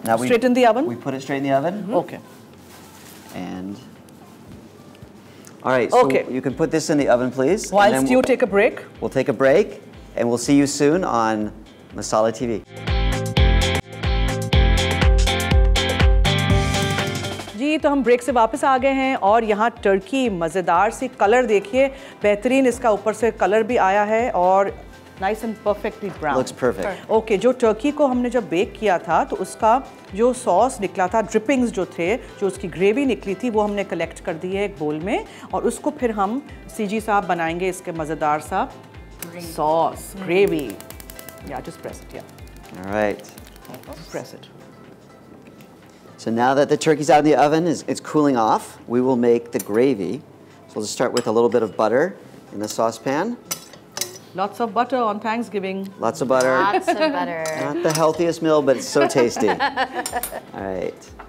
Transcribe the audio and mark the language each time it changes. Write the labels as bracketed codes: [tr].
[en] Now straight in the oven? We put it straight in the oven. Mm-hmm. Okay. And... All right, so okay. You can put this in the oven, please. Whilst and then we'll take a break. We'll take a break, and we'll see you soon on Masala TV. [hi] जी तो हम break से वापस आ गए हैं और यहाँ Turkey मज़ेदार सी colour देखिए बेहतरीन इसका ऊपर से कलर भी आया है और [en] nice and perfectly brown looks perfect [hi] okay जो टर्की को हमने जब बेक किया था तो उसका जो सॉस निकला था ड्रिपिंग्स जो थे जो उसकी ग्रेवी निकली थी वो हमने कलेक्ट कर दी है एक बोल में और उसको फिर हम सीजी साहब बनाएंगे इसके मज़ेदार सा सॉस ग्रेवी या [en] Just press it alright press it So now that the turkey's out in the oven, it's cooling off, we will make the gravy. So we'll just start with a little bit of butter in the saucepan. Lots of butter on Thanksgiving. Lots of butter. Lots of butter. Not the healthiest meal, but it's so tasty. All right.